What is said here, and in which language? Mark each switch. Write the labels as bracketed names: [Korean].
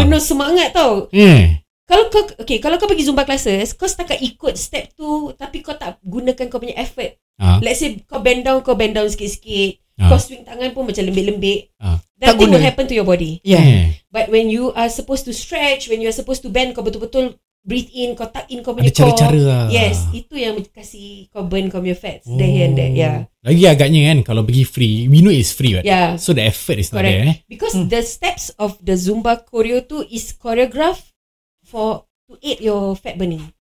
[Malay] Penuh semangat tau. Kalau kau pergi Zumba classes, kau setakat ikut step tu tapi kau tak gunakan kau punya effort. [English] Let's say [Malay] kau bend down sikit-sikit. Kau swing tangan pun macam lembik-lembik. [English] That thing will happen to your body. But when you are supposed to stretch, when you are supposed to bend, [Malay] kau betul-betul breathe in, kau tuck in kau punya core. Ada cara-cara lah. Yes, itu yang kasi kau burn kau punya fats. [English] There and there, yeah. [Malay] Lagi agaknya kan, kalau pergi free, [English] we know it's free, right? So the effort is correct. Not there. Because the steps of the Zumba choreo tu is choreographed to aid your fat burning.